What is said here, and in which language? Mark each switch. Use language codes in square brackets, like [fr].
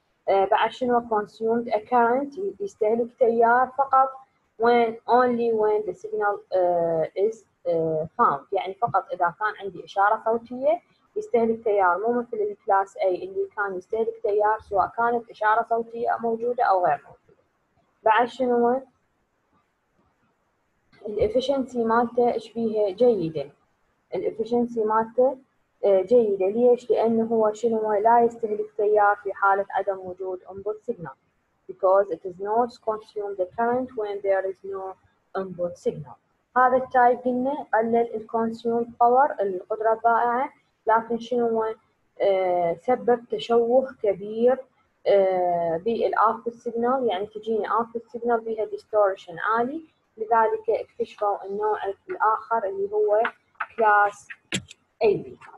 [ar] بعد شنو؟ [en] consumed a current، [ar] يستهلك تيار فقط [en] when only when the signal is found، [ar] يعني فقط اذا كان عندي اشاره صوتيه يستهلك تيار، مو مثل الكلاس اي اللي كان يستهلك تيار سواء كانت اشاره صوتيه موجوده او غير موجوده. بعد شنو؟ الافشنسي مالته ايش بيها؟ جيده. الافشنسي مالته جيدة، ليش؟ لأنه هو شنو؟ لا يستهلك تيار في حالة عدم وجود input signal، [en] because it is not consumed the current when there is no input signal. [ar] هذا التايب قلنا قلل ال consumed power، القدرة الضائعة، لكن شنو؟ سبب تشوه كبير بال output signal، يعني تجيني output signal بها distortion عالي. لذلك اكتشفوا النوع الآخر اللي هو class AB.